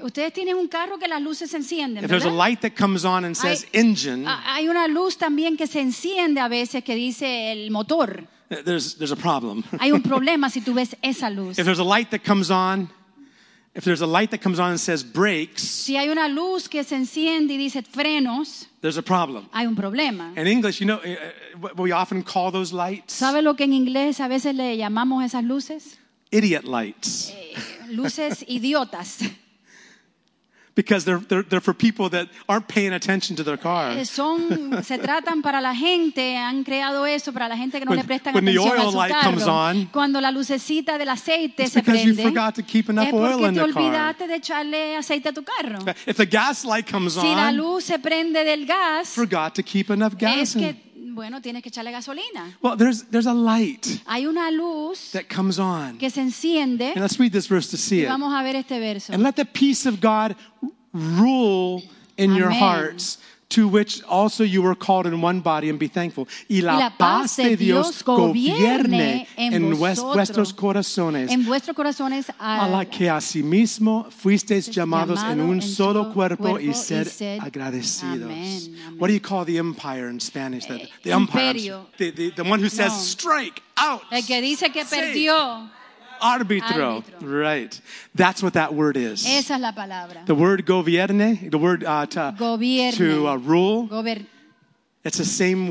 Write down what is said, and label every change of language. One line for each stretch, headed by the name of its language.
Spanish: Ustedes tienen un carro que las luces se encienden,
English: if there's
Spanish: ¿verdad?
English: A light that comes on and says
Spanish: hay,
English: engine.
Spanish: Hay una luz también que se enciende a veces que dice el motor.
English: There's a problem.
Spanish: Hay un problema si tú ves esa luz.
English: If there's a light that comes on, if there's a light that comes on and says brakes.
Spanish: Si hay una luz que se enciende y dice frenos.
English: There's a problem.
Spanish: Hay un problema.
English: In English, you know, we often call those lights.
Spanish: ¿Sabe lo que en inglés a veces le llamamos esas luces?
English: Idiot lights.
Spanish: Luces idiotas.
English: Because they're for people that aren't paying attention to their car.
Spanish: Se tratan para la gente, han creado eso para la gente que no le prestan atención a su carro.
English: When the oil light comes on,
Spanish: cuando la lucecita del aceite se prende,
English: you forgot to keep enough oil in the car.
Spanish: Es porque te olvidaste de echarle aceite a tu carro.
English: If the gas light comes on,
Spanish: si la luz se prende del gas,
English: forgot to keep enough gas.
Spanish: Es que bueno, tienes que echarle gasolina.
English: Well, there's a light.
Spanish: Hay una luz
English: that comes on.
Spanish: Que se enciende.
English: And let's read this verse to see
Spanish: y
English: it.
Spanish: Vamos a ver este verso.
English: And let the peace of God rule in Amen. Your hearts, to which also you were called in one body, and be thankful.
Spanish: Y la paz de Dios gobierne en vuestros corazones. En vuestros corazones a la que asimismo fuisteis llamados en un solo cuerpo y ser agradecidos. Amen.
English: What do you call the empire in Spanish? The umpire. The one who says no. Strike out.
Spanish: El que dice que perdió. Arbitro. Arbitro,
English: right. That's what that word is.
Spanish: Esa es la palabra.
English: The word gobierne, the word to rule, it's the same